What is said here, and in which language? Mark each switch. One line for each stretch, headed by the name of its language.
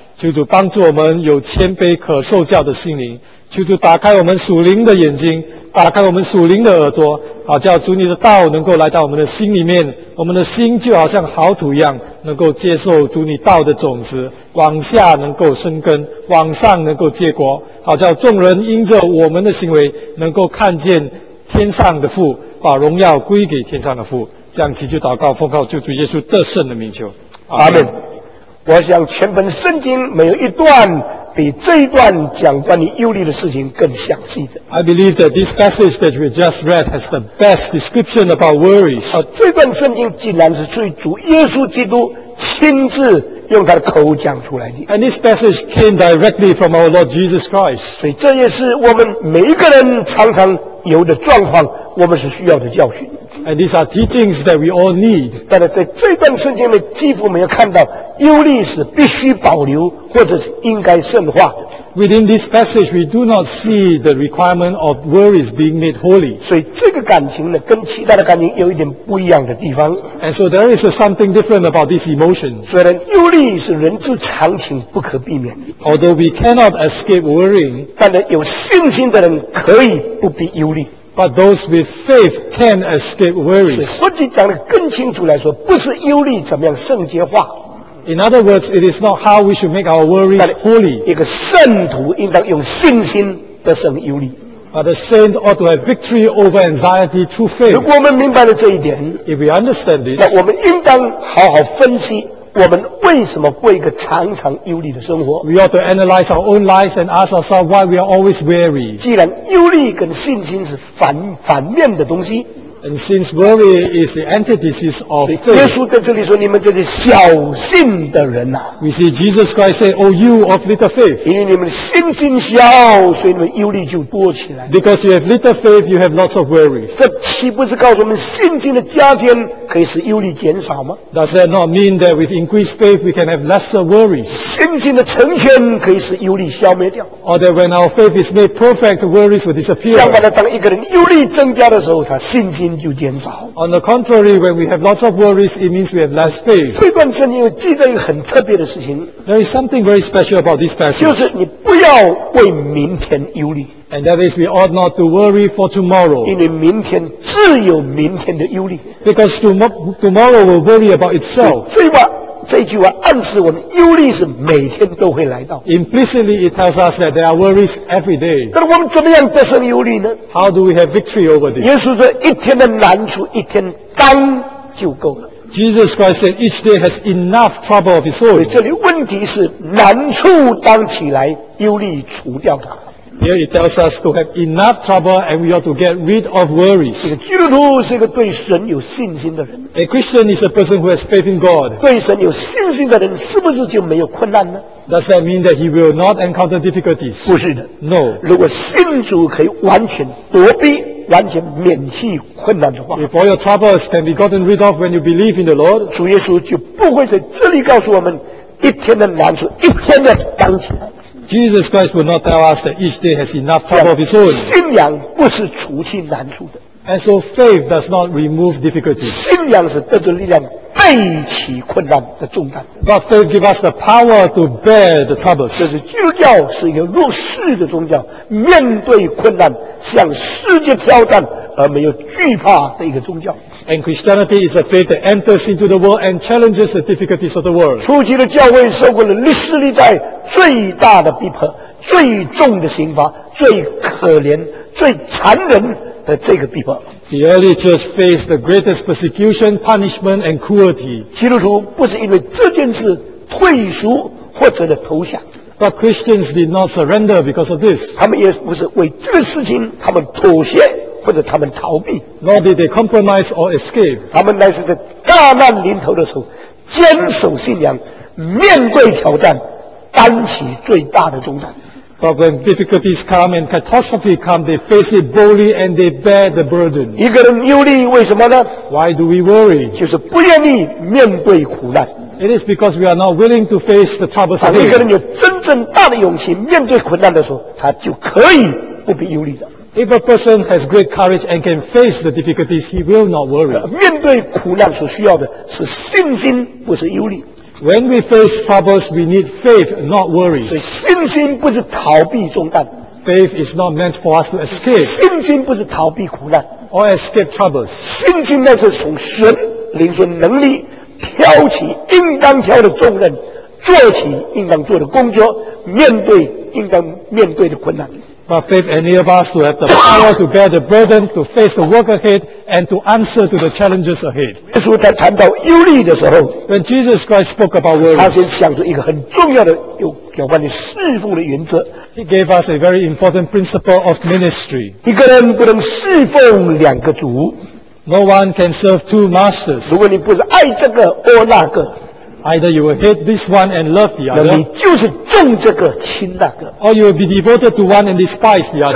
Chinese: 求主帮助我们有谦卑可受教的心灵，求主打开我们属灵的眼睛，打开我们属灵的耳朵，好叫主你的道能够来到我们的心里面，我们的心就好像好土一样，能够接受主你道的种子，往下能够生根，往上能够结果，好叫众人因着我们的行为能够看见天上的父，把荣耀归给天上的父。这样祈求祷告奉靠救主耶稣得胜的名求，阿们。我想全本圣经没有一段比这一段讲关于忧虑的事情更详细的。
English: I believe that this passage that we just read has the best description about worries。
Chinese: 这段圣经竟然是出于主耶稣基督亲自用他的口讲出来的。
English: And this passage came directly from our Lord Jesus Christ。
Chinese: 所以这也是我们每一个人常常有的状况，我们是需要的教训。
English: And these are teachings that we all need。
Chinese: 但是在这段圣经里几乎没有看到忧虑是必须保留或者是应该圣化的。
English: Within this passage we do not see the requirement of worries being made holy。
Chinese: 所以这个感情呢跟其他的感情有一点不一样的地方。
English: And so there is something different about this emotion。
Chinese: 虽然忧虑是人之常情不可避免的。
English: Although we cannot escape worrying。
Chinese: 但是有信心的人可以不必忧虑。
English: But those with faith can escape worries。
Chinese: 所以或许讲得更清楚来说，不是忧虑怎么样圣洁化。
English: In other words, it is not how we should make our worries holy.
Chinese: 一个圣徒应当用信心得胜忧虑。
English: But the saints ought to have victory over anxiety through faith.
Chinese: 如果我们明白了这一点，
English: If we understand this,
Chinese: 那我们应当好好分析我们为什么过一个常常忧虑的生活。
English: We ought to analyze our own lives and ask ourselves why we are always weary.
Chinese: 既然忧虑跟信心是反面的东西。
English: And since worry is the antithesis of faith,
Chinese: 耶稣在这里说：“你们这些小信的人啊
English: ！”We see Jesus Christ say, "Oh, you of little faith."
Chinese: 因为你们信心小，所以你们忧虑就多起来。
English: Because you have little faith, you have lots of worry.
Chinese: 这岂不是告诉我们信心的加添可以使忧虑减少吗
English: ？Does that not mean that with increased faith we can have lesser worries?
Chinese: 信心的成全可以使忧虑消灭掉。
English: Or that when our faith is made perfect, worries will disappear.
Chinese: 相反的，当一个人忧虑增加的时候，他信心就减少。
English: On the contrary, when we have lots of worries, it means we have less faith.
Chinese: 这段圣经记载一个很特别的事情。
English: There is something very special about this passage.
Chinese: 就是你不要为明天忧虑。
English: And that is, we ought not to worry for tomorrow.
Chinese: 因为明天自有明天的忧虑。
English: Because tomorrow will worry about itself.
Chinese: 这句话暗示我们忧虑是每天都会来到。
English: Implicitly, it tells us that there are worries every day.
Chinese: 但我们怎么样得胜忧虑呢
English: ？How do we have victory over this?
Chinese: 耶稣说，一天的难处一天担就够了。
English: Jesus Christ said, each day has enough trouble of its own.
Chinese: 所以这里问题是难处担起来，忧虑除掉它。
English: Here it tells us to have enough trouble and we ought to get rid of worries.
Chinese: 一个基督徒是一个对神有信心的人。
English: A Christian is a person who has faith in God.
Chinese: 对神有信心的人是不是就没有困难呢？
English: Does that mean that he will not encounter difficulties?
Chinese: 不是的。
English: No.
Chinese: 如果信主可以完全躲避完全免去困难的话，
English: If all your troubles can be gotten rid of when you believe in the Lord,
Chinese: 主耶稣就不会在这里告诉我们一天的难处一天的担起来。
English: Jesus Christ will not tell us that each day has enough trouble of its own.
Chinese: 信仰不是除去难处的。
English: And so faith does not remove difficulties.
Chinese: 信仰是得着力量背起困难的重担。
English: But faith gives us the power to bear the troubles.
Chinese: 这是基督教是一个入世的宗教，面对困难向世界挑战而没有惧怕的一个宗教。
English: And Christianity is a faith that enters into the world and challenges the difficulties of the world.
Chinese: 初期的教会受过了历史历代最大的逼迫、最重的刑罚、最可怜、最残忍的这个逼迫。
English: The early church faced the greatest persecution, punishment, and cruelty.
Chinese: 基督徒不是因为这件事退俗或者的投降。
English: But Christians did not surrender because of this.
Chinese: 他们也不是为这个事情他们妥协。或者他们逃避
English: ，nor did they compromise or escape。
Chinese: 他们乃是在大难临头的时候，坚守信仰，面对挑战，担起最大的重担。
English: But when difficulties come and catastrophe come, they face it boldly and they bear the burden.
Chinese: 一个人忧虑，为什么呢
English: ？Why do we worry？
Chinese: 就是不愿意面对苦难。
English: It is because we are not willing to face the troubles.
Chinese: 当一个人有真正大的勇气面对困难的时候，他就可以不必忧虑的。
English: If a person has great courage and can face the difficulties, he will not worry.
Chinese: 面对苦难所需要的是信心，不是忧虑。
English: When we face troubles, we need faith, not worries.
Chinese: 所以信心不是逃避重担。
English: Faith is not meant for us to escape.
Chinese: 信心不是逃避苦难。
English: Or escape troubles.
Chinese: 信心乃是从神领受能力，挑起应当挑的重任，做起应当做的工作，面对应当面对的困难。
English: But faith enables us to have the power to bear the burden, to face the work ahead, and to answer to the challenges ahead.
Chinese: 耶稣在谈到忧虑的时候
English: ，When Jesus Christ spoke about worry,
Chinese: 他先想出一个很重要的有关于侍奉的原则。
English: He gave us a very important principle of ministry.
Chinese: 一个人不能侍奉两个主。
English: No one can serve two masters.
Chinese: 如果你不是爱这个或那个。
English: Either you will hate this one and love the other.
Chinese: 你就是重这个轻那个。
English: Or you will be devoted to one and despise the other.